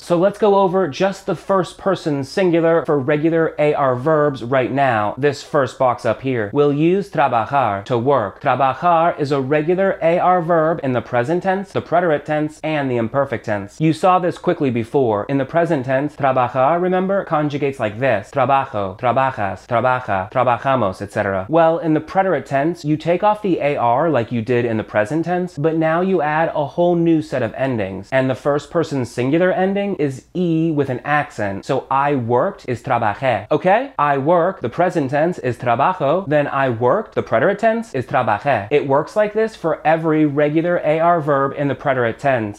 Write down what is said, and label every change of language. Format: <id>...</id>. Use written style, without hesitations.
<en>So let's go over just the first person singular for regular AR verbs right now, this first box up here. We'll use trabajar to work. Trabajar is a regular AR verb in the present tense, the preterite tense, and the imperfect tense. You saw this quickly before. In the present tense, trabajar, remember, conjugates like this.</en> <es>Trabajo, trabajas, trabaja, trabajamos, etc.</es> <en>Well, in the preterite tense, you take off the AR like you did in the present tense, but now you add a whole new set of endings. And the first person singular ending is E with an accent. So I worked is trabajé, okay? I work, the present tense, is trabajo. Then I worked, the preterite tense, is trabajé. It works like this for every regular AR verb in the preterite tense.</en>